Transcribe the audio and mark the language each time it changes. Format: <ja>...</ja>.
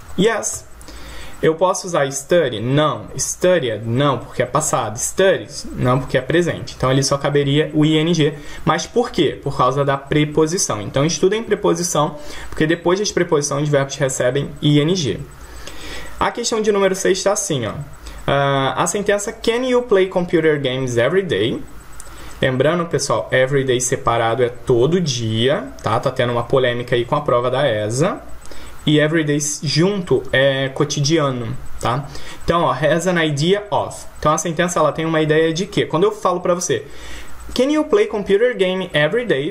<pt>Yes. Eu posso usar study? Não. Studied? Não, porque é passado. Studies? Não, porque é presente. Então, ali só caberia o ing. Mas por quê? Por causa da preposição. Então, estudem preposição, porque depois das preposições, os verbos recebem ing. A questão de número 6 está assim, ó. A sentença</pt> <en>Can you play computer games every day?</en> <pt>Lembrando, pessoal, every day separado é todo dia, tá? Tá tendo uma polêmica aí com a prova da ESA. E every day junto é cotidiano, tá? Então, ó,</pt> <en>has an idea of.</en> <pt>Então, a sentença ela tem uma ideia de quê? Quando eu falo para você,</pt> <en>Can you play computer game every day?</en>